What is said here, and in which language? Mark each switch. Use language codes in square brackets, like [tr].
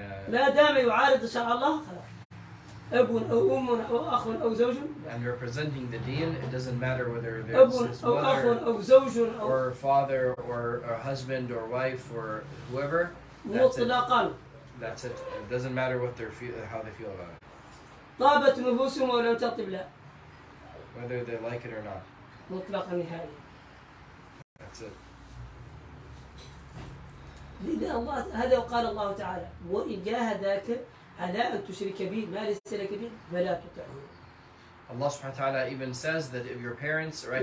[ar] ما دام يعارض شرع الله أب أو أم أو أخ أو زوج. [en] And representing the Deen, it doesn't matter whether there's [ar] أب أو أخ أو زوج [en] or father or husband or wife or whoever. [ar] مطلقا. [en] That's it. It doesn't matter what they're feel, how they feel about it. [ar] طابت نفوسهم ولم تطب لا. [en] Whether they like it or not. [ar] مطلقا نهائي. [en] That's it. [ar] لذا الله هذا وقال الله تعالى وإن جاهداك على أن تشرك به ما ليس لك به فلا تطعه. [en] Allah سبحانه وتعالى even says that if your parents right